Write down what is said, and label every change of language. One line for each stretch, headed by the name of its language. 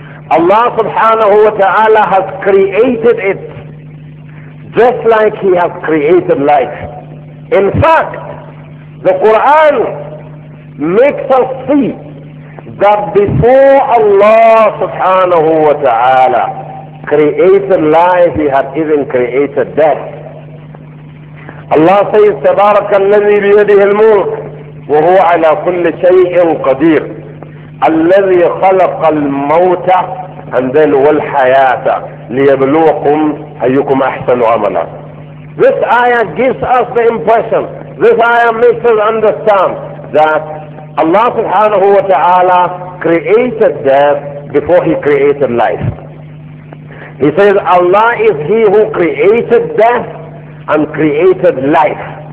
English: Allah subhanahu wa ta'ala has created it just like He has created life. In fact, the Quran makes us see that before Allah subhanahu wa ta'ala created life, He had even created death. Allah says,
Arabic: تَبَارَكَ الَّذِي بِيَدِهِ الْمُلْكِ وَهُوَ عَلَى كُلِّ شَيْءٍ قَدِيرٍ الَّذِي خَلَقَ الْمَوْتَ
English: and then
Arabic: وَالْحَيَاةَ لِيَبْلُوَكُمْ أَيُّكُمْ أَحْسَنُ عَمَلًا.
English: This ayah gives us the impression, this ayah makes us understand that Allah subhanahu wa ta'ala created death before He created life. He says, Allah is He who created death and created life.